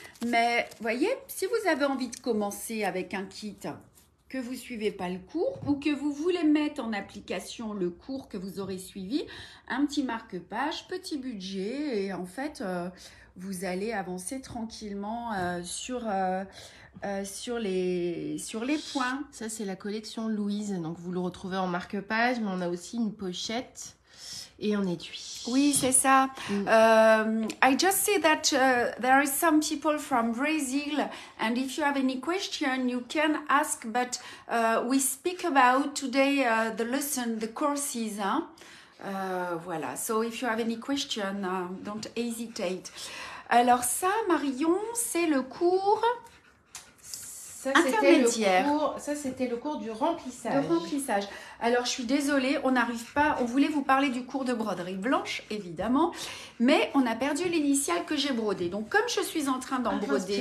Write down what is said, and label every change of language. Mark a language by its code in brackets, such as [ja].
[fr] Mais voyez, si vous avez envie de commencer avec un kit que vous ne suivez pas le cours ou que vous voulez mettre en application le cours que vous aurez suivi, un petit marque-page, petit budget et en fait, vous allez avancer tranquillement sur les points. Ça, c'est la collection Louise. Donc, vous le retrouvez en marque-page, mais on a aussi une pochette et un étui. Oui, c'est ça. [en] I just see that there are some people from Brazil. And if you have any question, you can ask. But we speak about today the lesson, the courses. [fr] Hein? Voilà. [en] So, if you have any question, don't hesitate. [fr] Alors, ça, Marion, c'est le cours... Ça, c'était le cours du remplissage. Le remplissage. Alors, je suis désolée, on n'arrive pas. On voulait vous parler du cours de broderie blanche, évidemment. Mais on a perdu l'initiale que j'ai brodée. Donc, comme je suis en train d'en broder